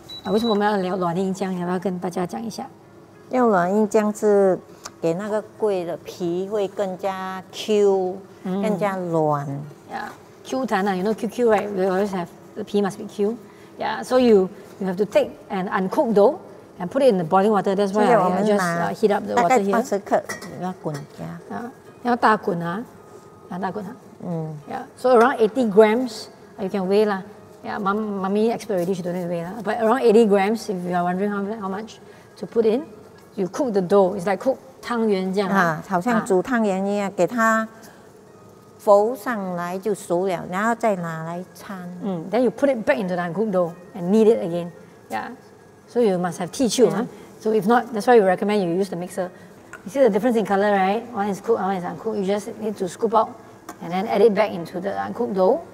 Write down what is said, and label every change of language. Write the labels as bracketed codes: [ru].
[zh] 为什么我们要聊卵硬浆？要不要跟大家讲一下？用卵硬浆是给那个粿的皮会更加 Q，更加软。 [en] Yeah. [zh] Q 弹啊， [en] you know QQ right? We always have the 皮 must be Q. Yeah. So you have to take an uncooked dough. And put it in the boiling water. That's why I just heat up the water here. [zh] 大概80克，要滚呀。啊，要大滚啊，要大滚啊。Yeah. [en] So around 80 grams, you can weigh lah. Yeah, mummy expert already, she don't need to weigh lah. But around 80 grams, if you are wondering how much to put in, you cook the dough. It's like cook [zh] 汤圆这样。好像煮汤圆一样，给它浮上来就熟了，然后再拿来掺。 [en] Then you put it back into the uncooked dough and knead it again. Yeah. So you must have teochew, So if not, that's why we recommend you use the mixer. You see the difference in color, right? One is cooked, one is uncooked. You just need to scoop out and then add it back into the uncooked dough.